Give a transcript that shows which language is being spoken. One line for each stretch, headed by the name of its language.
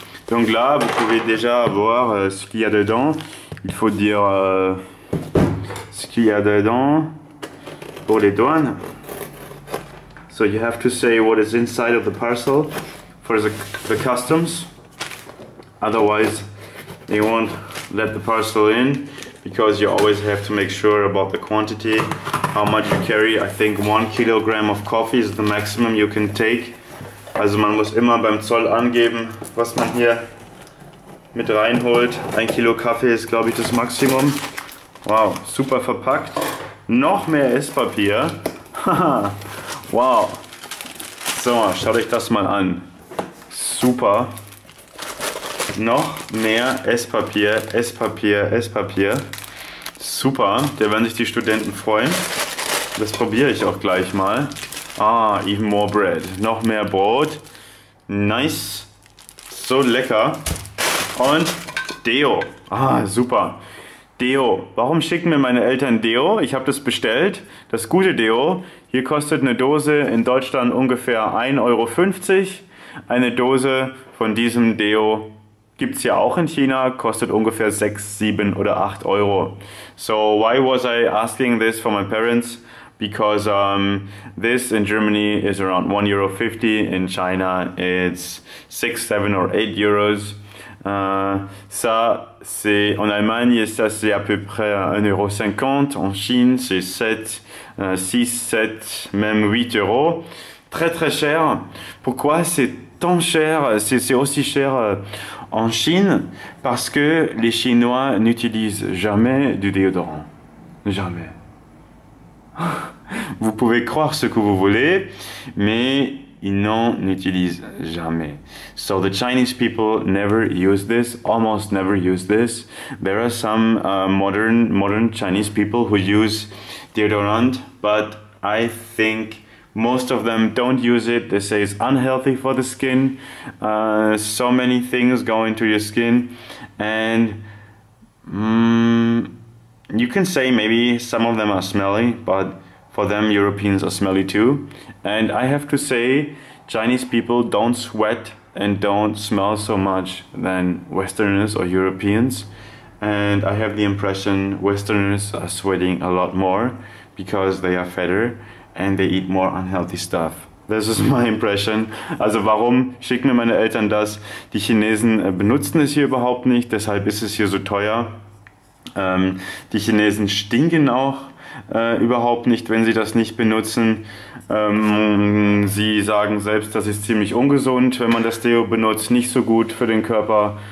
French: Donc là, vous pouvez déjà voir ce qu'il y a dedans. Il faut dire... ce qu'il y a dedans pour les douanes.
English: So you have to say what is inside of the parcel for the customs. Otherwise, they won't let the parcel in because you always have to make sure about the quantity, how much you carry. I think 1 kilogram of coffee is the maximum you can take.
German: Also man muss immer beim Zoll angeben, was man hier mit reinholt. 1 Kilo Kaffee ist, glaube ich, das Maximum. Wow, super verpackt. Noch mehr Esspapier. Wow. So, schaut euch das mal an. Super. Noch mehr Esspapier, Esspapier, Esspapier. Super, da werden sich die Studenten freuen. Das probiere ich auch gleich mal.
English: Ah, even more bread.
German: Noch mehr Brot. Nice. So lecker. Und Deo. Ah, super. Deo. Warum schicken mir meine Eltern Deo? Ich habe das bestellt. Das gute Deo. Hier kostet eine Dose in Deutschland ungefähr 1,50 Euro. Eine Dose von diesem Deo gibt's ja auch in China, kostet ungefähr 6, 7 oder 8 Euro.
English: So, why was I asking this for my parents? Because this in Germany is around 1 Euro 50. In China it's 6, 7 or 8 Euros.
French: Ça, c'est en Allemagne, ça c'est à peu près 1,50 Euro. En Chine, c'est 7, 6, 7, même 8 Euros. Très très cher. Pourquoi c'est tant cher? C'est aussi cher en Chine parce que les Chinois n'utilisent jamais du déodorant. Jamais. Vous pouvez croire ce que vous voulez, mais ils n'en utilisent jamais.
English: So the Chinese people never use this, almost never use this. There are some modern Chinese people who use deodorant, but I think most of them don't use it. They say it's unhealthy for the skin. So many things go into your skin. And you can say maybe some of them are smelly, but for them, Europeans are smelly too. And I have to say, Chinese people don't sweat and don't smell so much than Westerners or Europeans. And I have the impression Westerners are sweating a lot more because they are fatter and they eat more unhealthy stuff. This is my impression.
German: Also warum schicken mir meine Eltern das? Die Chinesen benutzen es hier überhaupt nicht, deshalb ist es hier so teuer. Die Chinesen stinken auch überhaupt nicht, wenn sie das nicht benutzen. Sie sagen selbst, das ist ziemlich ungesund, wenn man das Deo benutzt, nicht so gut für den Körper.